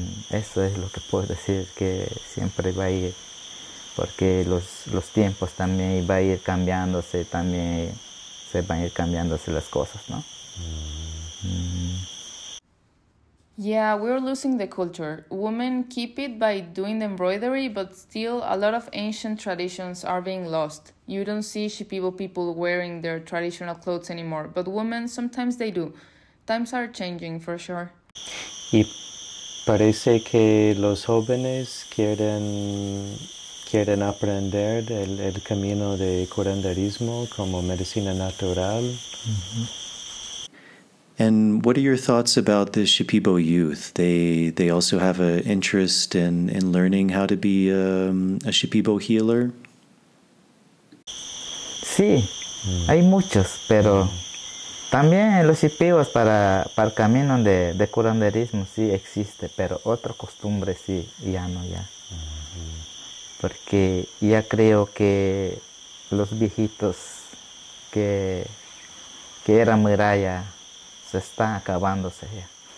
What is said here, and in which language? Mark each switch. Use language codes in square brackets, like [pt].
[es] Eso es lo que puedo decir, que siempre va a ir, porque los tiempos también va a ir cambiándose, también se van a ir cambiándose las cosas, ¿no? [en] Yeah, we're losing the culture. Women keep it by doing the embroidery, but still a lot of ancient traditions are being lost. You don't see Shipibo people wearing their traditional clothes anymore, but women, sometimes they do. Times are changing, for sure. [es] Y parece que los jóvenes quieren aprender el camino de curanderismo como medicina natural. Mm-hmm. [en] And what are your thoughts about the Shipibo youth? They also have an interest in learning how to be a Shipibo healer. [es] Sí, hay muchos, pero también los Shipibos para el camino de curanderismo sí existe, pero otra costumbre sí ya no ya, porque ya creo que los viejitos que eran muralla está acabándose ya.